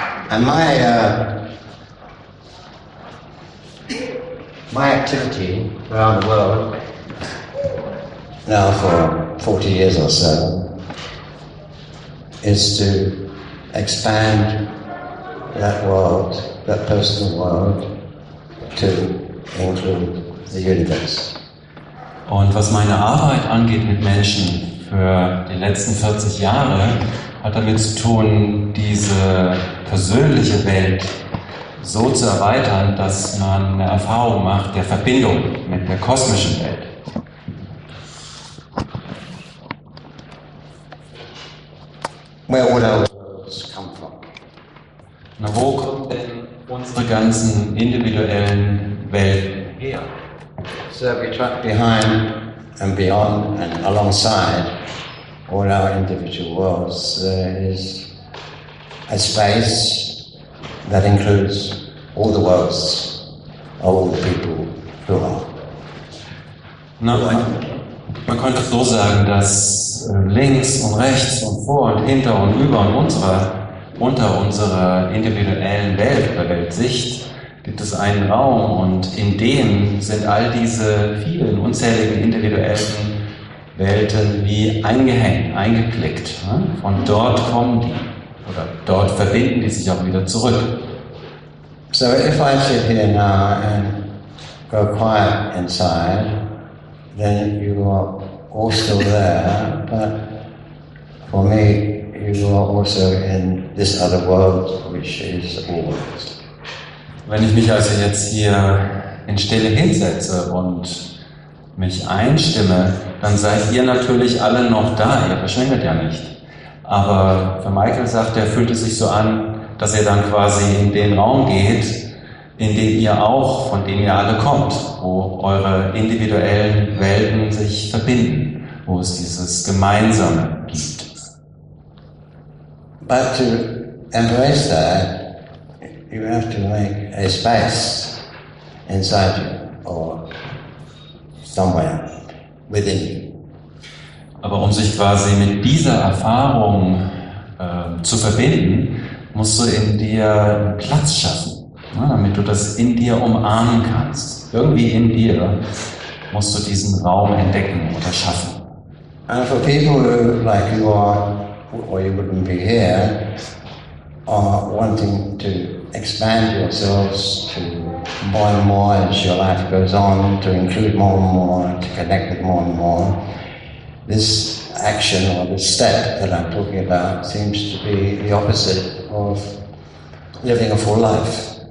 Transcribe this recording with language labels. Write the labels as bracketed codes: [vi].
[en] And my activity around the world now for 40 years or so is to expand that world, that personal world, to include the universe. [de] Und was meine Arbeit angeht mit Menschen für die letzten 40 Jahre, hat damit zu tun, diese persönliche Welt so zu erweitern, dass man eine Erfahrung macht der Verbindung mit der kosmischen Welt. [en] Where all our worlds come from? [de] Na, wo kommen denn unsere ganzen individuellen Welten her? [en] So we track behind and beyond and alongside all our individual worlds. There is a space that includes all the worlds of all the people who are. [de] Na, man könnte so sagen, dass links und rechts und vor und hinter und über und unter unserer individuellen Welt oder Weltsicht gibt es einen Raum, und in dem sind all diese vielen unzähligen individuellen Welten wie eingehängt, eingeklickt. Von dort kommen die, oder dort verbinden die sich auch wieder zurück. [en] So if I sit here now and go quiet inside, then you are all still there, but for me, you are also in this other world, which is all worlds. [de] Wenn ich mich also jetzt hier in Stille hinsetze und mich einstimme, dann seid ihr natürlich alle noch da, ihr verschwindet ja nicht. Aber für Michael sagt, er fühlt es sich so an, dass er dann quasi in den Raum geht, in dem ihr auch, von dem ihr alle kommt, wo eure individuellen Welten sich verbinden, wo es dieses Gemeinsame gibt. [en] But to embrace that, you have to make a space inside you or somewhere within you. [de] Aber um sich quasi mit dieser Erfahrung zu verbinden, musst du in dir Platz schaffen, ne, damit du das in dir umarmen kannst. Irgendwie in dir musst du diesen Raum entdecken oder schaffen. [en] And for people who, like you are, or you wouldn't be here, are wanting to expand yourselves to more and more as your life goes on, to include more and more, to connect with more and more, this action or this step that I'm talking about seems to be the opposite of living a full life.